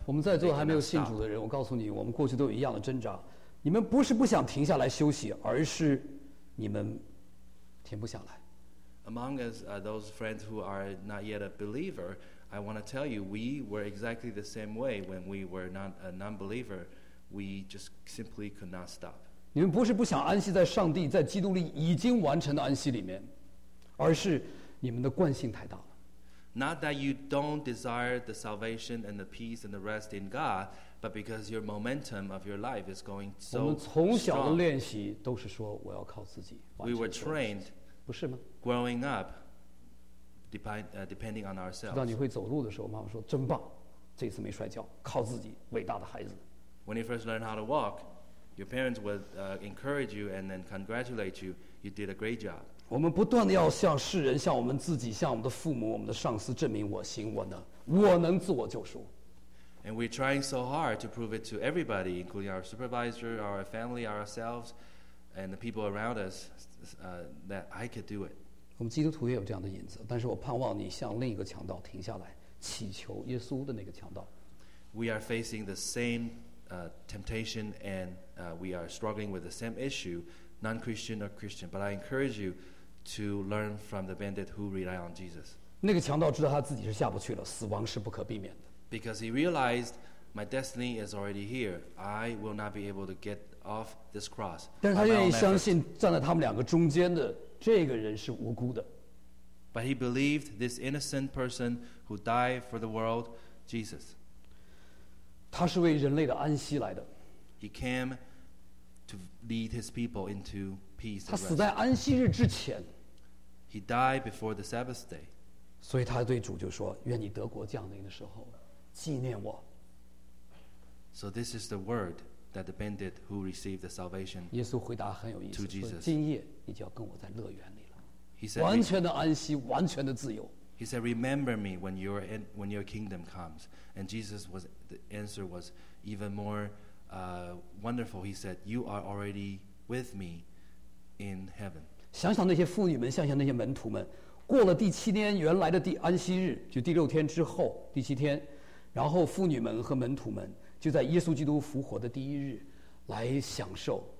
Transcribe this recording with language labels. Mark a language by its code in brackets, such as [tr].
[zh] 我们在座还没有信主的人，我告诉你，我们过去都有一样的挣扎。你们不是不想停下来休息，而是你们。停不下来。 [en] Among us, those friends who are not yet a believer, I want to tell you, we were exactly the same way when we were not a non-believer. We just simply could not stop. [zh] 你们不是不想安息在上帝在基督里已经完成的安息里面，而是你们的惯性太大了。 [en] Not that you don't desire the salvation and the peace and the rest in God, but because your momentum of your life is going so strong. [zh] 我们从小的练习都是说我要靠自己。 [en] We were trained, [zh] 不是吗？ [en] Growing up, depending on ourselves. [zh] 直到你会走路的时候，妈妈说真棒，这次没摔跤，靠自己，伟大的孩子。 [en] When you first learned how to walk, your parents would encourage you and then congratulate you. You did a great job. [zh] 我们不断的要向世人，向我们自己，向我们的父母，我们的上司证明我行我能，我能自我救赎。 [en] And we're trying so hard to prove it to everybody, including our supervisor, our family, ourselves, and the people around us, that I could do it. [zh] 我们基督徒也有这样的影子，但是我盼望你像另一个强盗停下来，祈求耶稣的那个强盗。 [en] We are facing the same temptation, and we are struggling with the same issue, non-Christian or Christian. But I encourage you to learn from the bandit who rely on Jesus. [zh] 那个强盗知道他自己是下不去了，死亡是不可避免的。 [en] Because he realized my destiny is already here. I will not be able to get off this cross. [zh] 但是他愿意相信站在他们两个中间的这个人是无辜的。 [en] But he believed this innocent person who died for the world, Jesus. [zh] 他是为人类的安息来的。 [en] He came to lead his people into peace. [zh] 他死在安息日之前。 [en] He died before the Sabbath day. [zh] 所以他对主就说，愿你德国降临的时候。纪念我。 [en] So this is the word that the bandit who received the salvation. [zh] 耶稣回答很有意思，说：“今夜你就要跟我在乐园里了。” [en] He said, [zh] 完全的安息，完全的自由。 [en] He said, "Remember me when your kingdom comes." And Jesus was the answer was even more wonderful. He said, "You are already with me in heaven." [zh] 想想那些妇女们，想想那些门徒们，过了第七天原来的第安息日，就第六天之后，第七天。然后妇女们和门徒们就在耶稣基督复活的第一日来享受